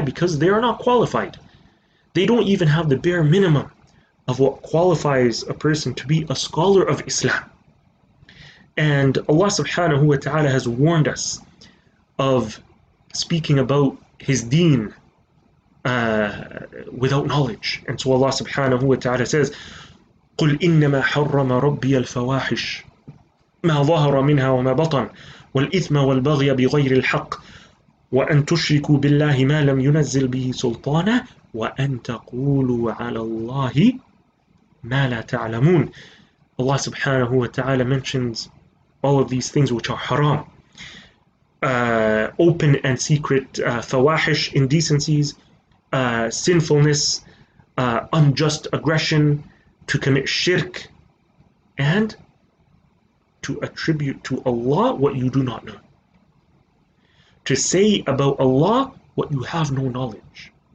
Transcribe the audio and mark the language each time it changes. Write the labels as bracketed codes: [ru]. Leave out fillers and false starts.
[en] Because they are not qualified. They don't even have the bare minimum of what qualifies a person to be a scholar of Islam. And Allah subhanahu wa ta'ala has warned us of speaking about his deen without knowledge. And so Allah subhanahu wa ta'ala says, [ar] قُلْ إِنَّمَا حَرَّمَ رَبِّيَ الْفَوَاحِشِ مَا ظَهَرَ مِنْهَا وَمَا بَطَنَ وَالْإِثْمَ وَالْبَغْيَ بِغَيْرِ الْحَقِّ وَأَنْ تُشْرِكُوا بِاللَّهِ مَا لَمْ يُنَزِّلْ بِهِ سُلْطَانًا وَأَنْ تَقُولُوا عَلَى اللَّهِ مَا لَا تَعْلَمُونَ. [en] Allah subhanahu wa ta'ala mentions all of these things which are haram, open and secret fawahish, indecencies, sinfulness, unjust aggression, to commit shirk, and to attribute to Allah what you do not know, to say about Allah what you have no knowledge.